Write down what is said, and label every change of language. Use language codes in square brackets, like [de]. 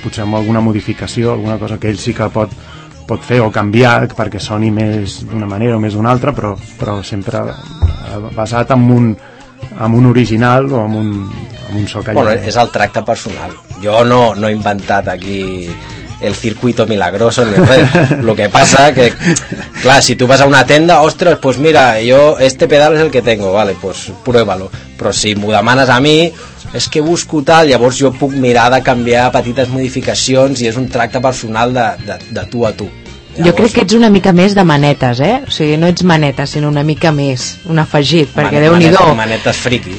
[ca] Potser amb alguna modificació, alguna cosa que ell sí que pot fer o canviar perquè soni més d'una manera o més d'una altra, però sempre basat en un original o en un so callat. Bueno, és el tracte personal. Jo no he inventat aquí el [es] circuito milagroso [ca] ni res. [es] Lo que passa que, [ca] clar, si tu vas a una tenda, ostres, [es] pues mira, yo este pedal es el que tengo, vale, pues pruébalo. [ca] Però si m'ho demanes a mi, és que busco tal, llavors jo puc mirar de canviar petites modificacions i és un tracte personal de tu a tu. Llavors... Jo crec que ets una mica més de manetes, eh? O sigui, no ets manetes, sinó una mica més, un afegit, perquè Déu-n'hi-do. Manetes friqui.